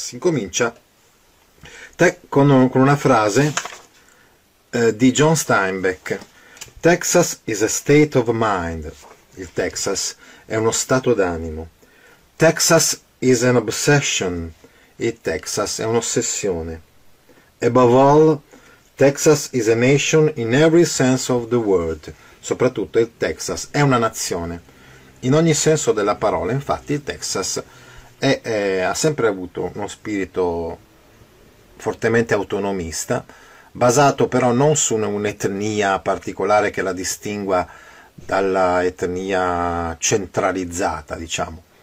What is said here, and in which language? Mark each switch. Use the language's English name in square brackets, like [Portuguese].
[Italian] Si comincia con una frase di John Steinbeck: [English] Texas is a state of mind. [Italian] Il Texas è uno stato d'animo. [English] Texas is an obsession. [Italian] Il Texas è un'ossessione. [English] Above all, Texas is a nation in every sense of the word. [Italian] Soprattutto il Texas è una nazione. In ogni senso della parola, infatti, il Texas ha sempre avuto uno spirito fortemente autonomista, basato però non su un'etnia particolare che la distingua dalla etnia centralizzata, diciamo.